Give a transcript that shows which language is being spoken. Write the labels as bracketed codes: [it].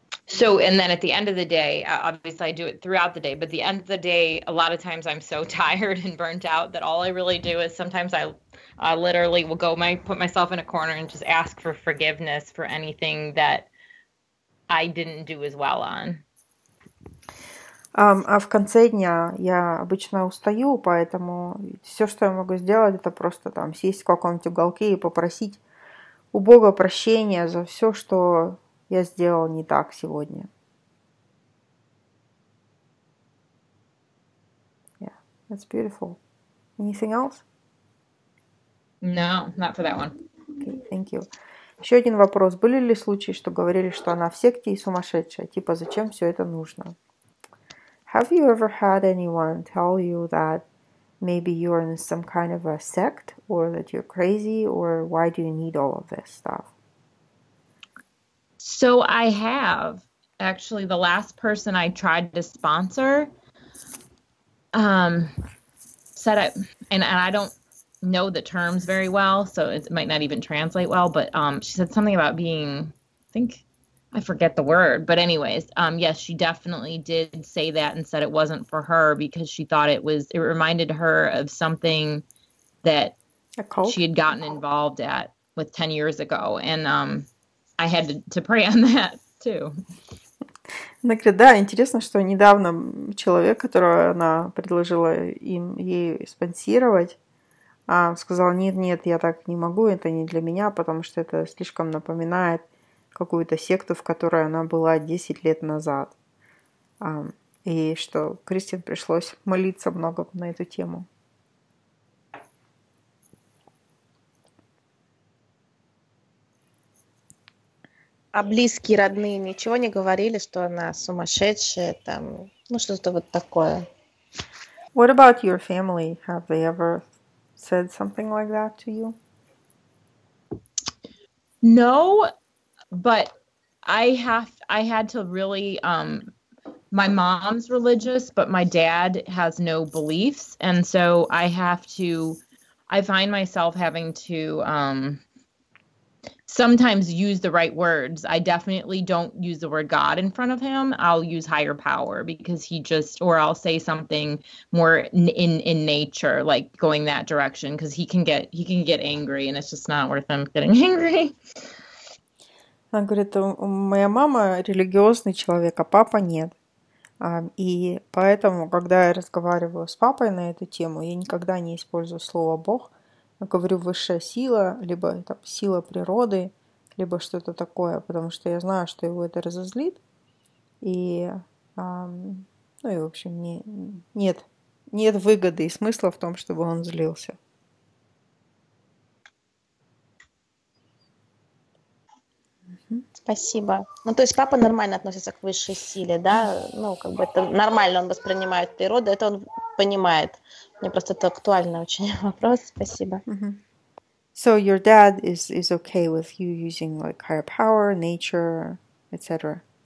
[en] So, and then at the end of the day, obviously I do it throughout the day, but the end of the day, a lot of times I'm so tired and burnt out that all I really do is sometimes I literally will go put myself in a corner and just ask for forgiveness for anything that I didn't do as well on. [ru] А в конце дня я обычно устаю, поэтому все, что я могу сделать, это просто там сесть в каком-нибудь уголке и попросить у Бога прощения за все, что я сделал не так сегодня. [en] Yeah, that's beautiful. Anything else? No, not for that one. Okay, thank you. [ru] Еще один вопрос. Были ли случаи, что говорили, что она в секте и сумасшедшая? Типа, зачем все это нужно? [en] Have you ever had anyone tell you that maybe you're in some kind of a sect, or that you're crazy, or why do you need all of this stuff? So I have. Actually, the last person I tried to sponsor said it, and I don't know the terms very well, so it might not even translate well, but she said something about being, I think, I forget the word, but anyways, yes, she definitely did say that and said it wasn't for her because she thought it was, it reminded her of something that she had gotten involved at with 10 years ago, and I had to pray on that too. [ru] Она говорит, да, интересно, что недавно человек, которого она предложила им ей спонсировать, сказал, нет, я так не могу, это не для меня, потому что это слишком напоминает какую-то секту, в которой она была 10 лет назад. И что Кристин пришлось молиться много на эту тему. А близкие, родные ничего не говорили, что она сумасшедшая, там, ну что-то вот такое. [en] What about your family? Have they ever said something like that to you? No. But I had to really, my mom's religious, but my dad has no beliefs. And so I find myself having to, sometimes use the right words. I definitely don't use the word God in front of him. I'll use higher power because he just, or I'll say something more in nature, like going that direction. Cause he can get angry and it's just not worth him getting angry. [ru] Она говорит, моя мама религиозный человек, а папа нет. И поэтому, когда я разговариваю с папой на эту тему, я никогда не использую слово «Бог». Я говорю «высшая сила», либо там, «сила природы», либо что-то такое, потому что я знаю, что его это разозлит. И, ну и, в общем, нет выгоды и смысла в том, чтобы он злился. Спасибо. Ну, то есть папа нормально относится к высшей силе, да? Ну, как бы это нормально он воспринимает природу, это он понимает. Мне просто это актуальный очень вопрос. Спасибо. Mm-hmm. [en] So your dad is okay with you using like higher power, nature, etc.